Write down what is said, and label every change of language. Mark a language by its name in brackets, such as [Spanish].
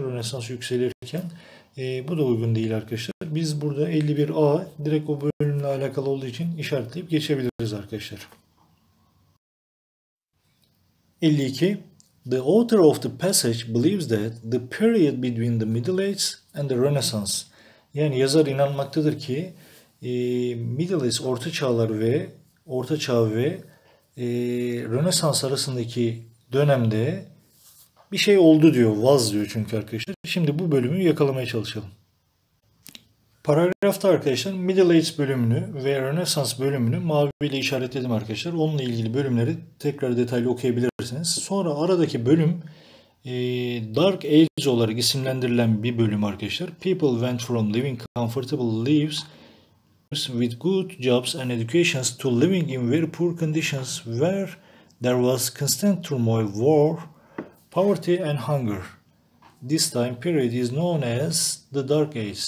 [Turkish] Rönesans yükselirken bu da uygun değil arkadaşlar. Biz burada 51A direkt o bölümle alakalı olduğu için işaretleyip geçebiliriz arkadaşlar. 52. [English] The author of the passage believes that the period between the Middle Ages and the Renaissance. [Turkish] Yani yazar inanmaktadır ki Middle Ages, Orta Çağlar ve Orta Çağ ve Rönesans arasındaki dönemde bir şey oldu diyor, was diyor çünkü arkadaşlar. Şimdi bu bölümü yakalamaya çalışalım. Paragrafta arkadaşlar Middle Ages bölümünü ve Rönesans bölümünü maviyle işaretledim arkadaşlar. Onunla ilgili bölümleri tekrar detaylı okuyabilirsiniz. Sonra aradaki bölüm Dark Ages olarak isimlendirilen bir bölüm arkadaşlar. [English] People went from living comfortable lives with good jobs and educations to living in very poor conditions where there was constant turmoil, war, poverty and hunger. This time period is known as the Dark Age.